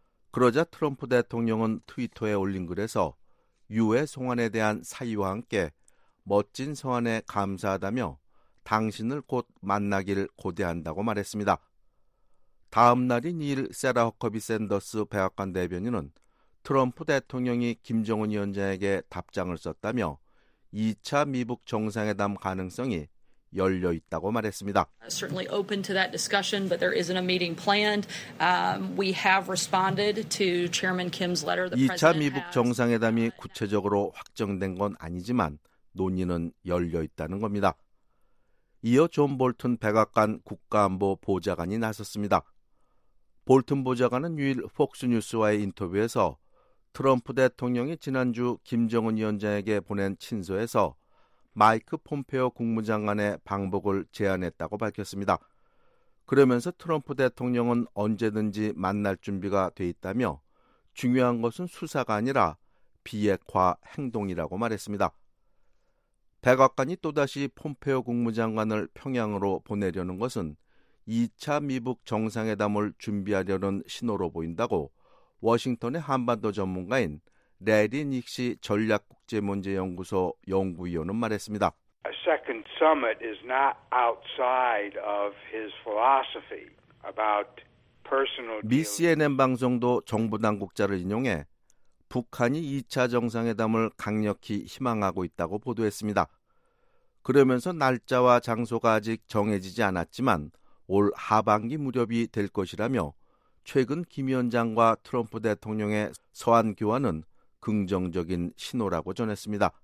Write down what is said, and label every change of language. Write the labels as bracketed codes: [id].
[ko] 그러자 트럼프 대통령은 트위터에 올린 글에서 유해 송환에 대한 사의와 함께 멋진 서한에 감사하다며 당신을 곧 만나길 고대한다고 말했습니다. 다음 날인 2일 세라 허커비 샌더스 백악관 대변인은 트럼프 대통령이 김정은 위원장에게 답장을 썼다며 2차 미북 정상회담 가능성이 열려 있다고 말했습니다. [en] Certainly open to that discussion, but there isn't a meeting planned. We have responded to Chairman Kim's letter. [ko] 2차 미북 정상회담이 구체적으로 확정된 건 아니지만 논의는 열려 있다는 겁니다. 이어 존 볼튼 백악관 국가안보 보좌관이 나섰습니다. 볼튼 보좌관은 유일 폭스뉴스와의 인터뷰에서 트럼프 대통령이 지난주 김정은 위원장에게 보낸 친서에서 마이크 폼페오 국무장관의 방북을 제안했다고 밝혔습니다. 그러면서 트럼프 대통령은 언제든지 만날 준비가 돼 있다며 중요한 것은 수사가 아니라 비핵화 행동이라고 말했습니다. 백악관이 또다시 폼페오 국무장관을 평양으로 보내려는 것은 2차 미북 정상회담을 준비하려는 신호로 보인다고 워싱턴의 한반도 전문가인 래리 닉시 전략국제문제연구소 연구위원은 말했습니다. [en] A second summit is not outside of his philosophy about personal. [ko] 미 CNN 방송도 정부 당국자를 인용해 북한이 2차 정상회담을 강력히 희망하고 있다고 보도했습니다. 그러면서 날짜와 장소가 아직 정해지지 않았지만 올 하반기 무렵이 될 것이라며 최근 김 위원장과 트럼프 대통령의 서한 교환은 긍정적인 신호라고 전했습니다.